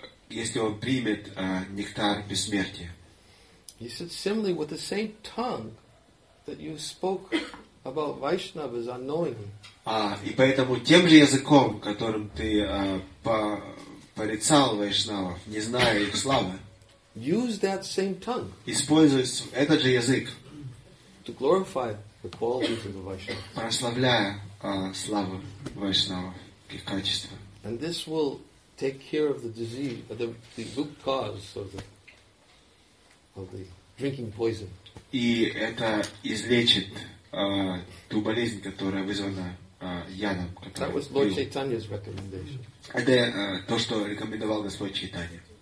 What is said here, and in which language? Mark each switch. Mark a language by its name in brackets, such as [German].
[Russian] Если он примет нектар бессмертия. [English] He said similarly with the same tongue that you spoke about Vaishnavas unknowingly. [Russian] И поэтому тем же языком, которым ты порицал Вайшнавов, не зная их славы, [English] use that same tongue. [Russian] Используй этот же язык, [English] to glorify the qualities of the Vaishnavas. [Russian] Прославляя славу Вайшнавов, их качества. [English] And this will take care of the disease, the root cause of the drinking poison. [Russian] И это излечит ту болезнь, которая вызвана ядом, который [English] That was Lord Chaitanya's recommendation. [Russian] Это то, что рекомендовал Господь Чайтанья.